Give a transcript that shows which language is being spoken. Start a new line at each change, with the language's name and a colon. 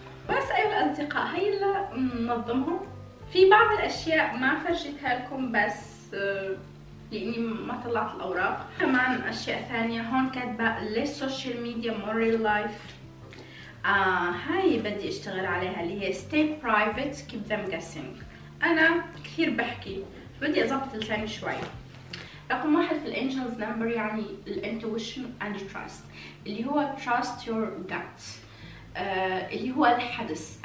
Arabic: بس ايها الاصدقاء، هي اللي منظمهم. في بعض الاشياء ما فرجتها لكم بس لاني ما طلعت الاوراق. كمان اشياء ثانيه هون كاتبه
English: less social media more real life.
Arabic: هاي بدي اشتغل عليها، اللي هي
English: stay private keep them guessing.
Arabic: انا كثير بحكي، بدي اضبط لساني شوي. رقم واحد في الانجلز نمبر يعني
English: الانتويشن and trust,
Arabic: اللي هو
English: trust your gut،
Arabic: اللي هو الحدس.